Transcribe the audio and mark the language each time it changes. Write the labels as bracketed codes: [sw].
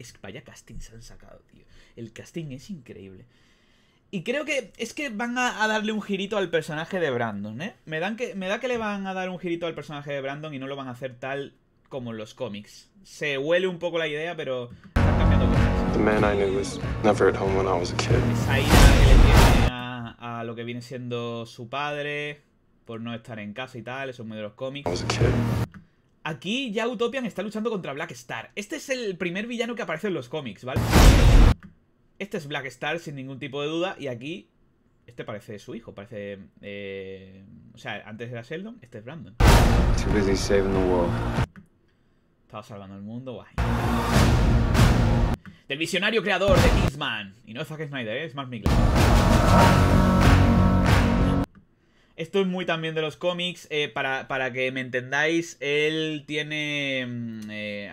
[es] vaya casting se han sacado, tío. El casting es increíble. Y creo que es que van a darle un girito al personaje de Brandon, ¿eh? Me da que le van a dar un girito al personaje de Brandon y no lo van a hacer tal como en los cómics. Se huele un poco la idea, pero están cambiando cosas. [en] The man I knew was never at home when I was a kid. [es] Esa ira que le tiene a lo que viene siendo su padre por no estar en casa y tal, eso es muy de los cómics. [en] I was a kid. [es] Aquí ya Utopian está luchando contra Black Star. Este es el primer villano que aparece en los cómics, ¿vale? Este es Black Star, sin ningún tipo de duda. Y aquí, este parece su hijo. Parece, o sea, antes era Sheldon, este es Brandon. [en] Too busy saving the world. [es] Estaba salvando el mundo, guay. Del visionario creador de Kingsman. Y no es Zack Snyder, es Mark Miller. Esto es muy también de los cómics. Para que me entendáis, él tiene...